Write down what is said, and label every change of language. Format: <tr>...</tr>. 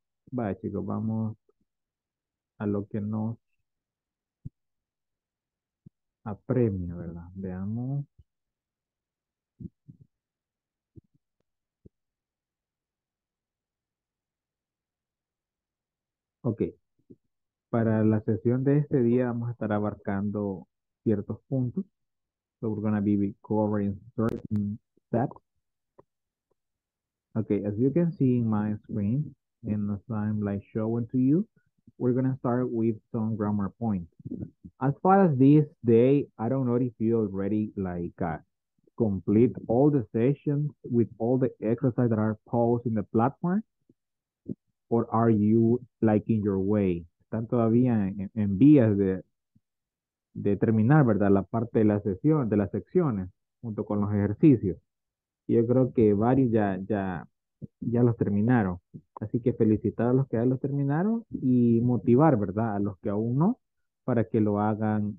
<es>Vaya, chicos, vamos a lo que nos apremia, ¿verdad? Veamos. Ok. Para la sesión de este día vamos a estar abarcando ciertos puntos.</es> <en>So we're going to be covering certain steps. Okay, as you can see in my screen, and as I'm like showing to you, we're gonna start with some grammar points. As far as this day, I don't know if you already like complete all the sessions with all the exercises that are posted in the platform, or are you like in your way?</en> <es>Están todavía en vías de terminar, ¿verdad? La parte de la sesión, de las secciones, junto con los ejercicios. Yo creo que varios ya los terminaron. Así que felicitar a los que ya los terminaron y motivar, ¿verdad? A los que aún no, para que lo hagan.</es>